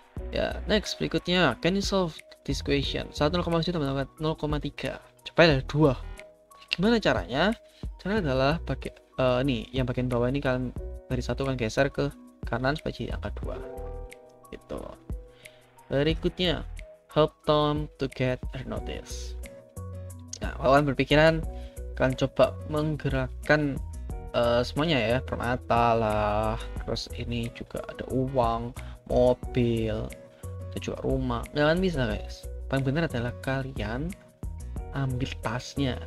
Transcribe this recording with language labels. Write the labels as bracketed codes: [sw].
[en] Ya, next berikutnya, can you solve this question? [id] 1,7 tambah 0,3. Coba ada 2. Gimana caranya? Caranya adalah pakai nih, yang bagian bawah ini kalian dari 1 kan geser ke kanan supaya jadi angka 2. Gitu. [en] Berikutnya, help Tom to get her notice. [id] Nah, kalian berpikiran kalian coba menggerakkan semuanya ya, permata lah, terus ini juga ada uang, mobil, dan juga rumah. Nggak kan bisa, guys. Paling benar adalah kalian ambil tasnya.